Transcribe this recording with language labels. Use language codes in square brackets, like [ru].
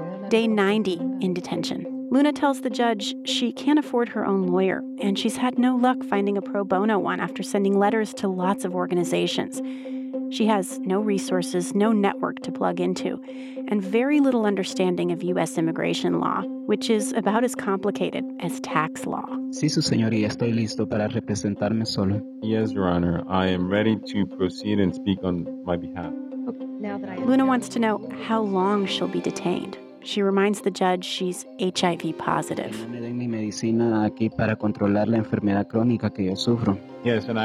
[en] Day 90 in detention. Luna tells the judge she can't afford her own lawyer, and she's had no luck finding a pro bono one after sending letters to lots of organizations. She has no resources, no network to plug into, and very little understanding of U.S. immigration law, which is about as complicated as tax law. [es] Sí, su señoría, estoy listo para representarme solo. [en] Yes, Your Honor, I am ready to proceed and speak on my behalf. Luna wants to know how long she'll be detained. She reminds the judge she's HIV positive. Yes, and I